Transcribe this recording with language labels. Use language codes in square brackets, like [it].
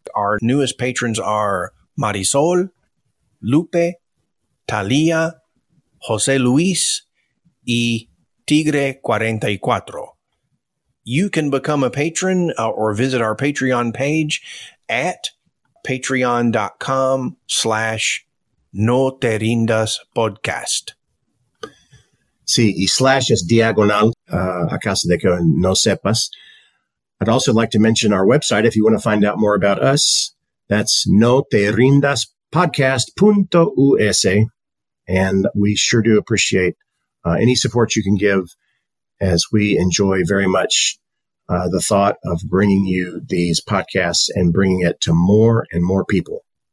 [en] Our newest patrons are Marisol, Lupe, Talia, Jose Luis, y Tigre 44. You can become a patron or visit our Patreon page at patreon.com/noterindaspodcast. [es] Sí, y slash es diagonal, a caso de que no sepas. [en] I'd also like to mention our website if you want to find out more about us. That's noterindaspodcast.us. And we sure do appreciate any support you can give, as we enjoy very much the thought of bringing you these podcasts and bringing it to more and more people.